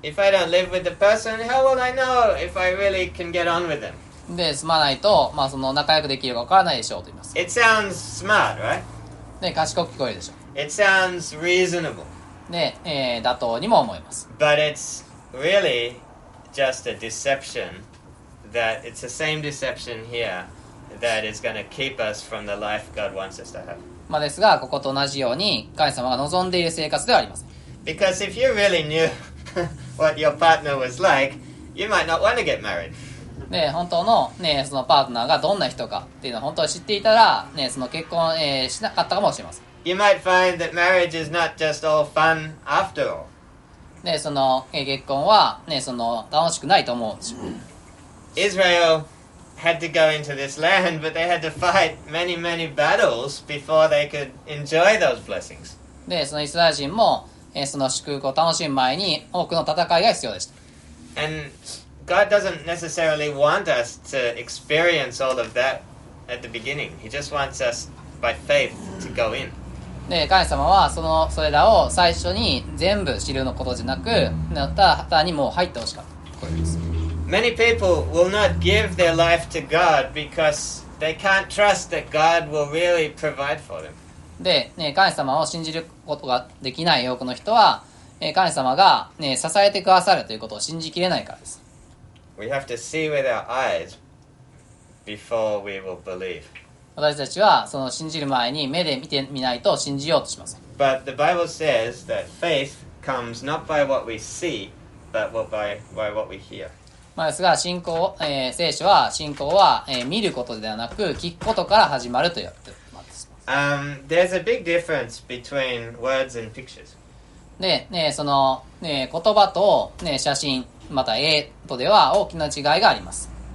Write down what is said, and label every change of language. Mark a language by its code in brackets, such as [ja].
[en] If I don't live with the person, how will I know if I really can get on with them? [ja] で、住まないと、まあその仲良くできるかわからないでしょうと言います。 [en] It sounds smart, right? [ja] で、賢く聞こえるでしょう。 [en] It sounds reasonable. [ja] で、妥当にも思います。 [en] But it's really just a deception that it's the same deception here that is going to keep us from the life God wants us to have. [ja] まあですが、ここと同じように神様が望んでいる生活ではありません。 [en] Because if you really knew what your partner was like, you might not want to get married. [ja] で、本当の、ね、そのパートナーがどんな人かっていうのを本当に知っていたら、ね、その結婚、しなかったかもしれません。 [en] You might find that marriage is not just all fun after all. [ja] ね、その結婚はね、その楽しくないと思うんですよ。 [en] Israel had to go into this land, but they had to fight many, many battles before they could enjoy those blessings. [ja] で、そのイスラエル人も、その祝福を楽しむ前に多くの戦いが必要でした。 [en] And God doesn't necessarily want us to experience all of that at the beginning. He just wants us by faith to go in. [ja] で神様は それらを最初に全部知るのことじゃなく、なったら旗にもう入ってほしかった。 [en] Many people will not give their life to God because they can't trust that God will really provide for them. [ja] で、ね、神様を信じることができない多くの人は、神様が、ね、支えてくださるということを信じきれないからです。 [en] We have to see with our eyes before we will believe. [ja] 私たちはその信じる前に目で見てみないと信じようとしません。 [en] But the Bible says that faith comes not by what we see, but by what we hear. [ja] まあですが信仰、聖書は信仰は、見ることではなく聞くことから始まると言っています。 [en] There's a big difference between words and pictures. [ja] で、ね、その、ね、言葉と、ね、写真、また絵とでは大きな違いがあります。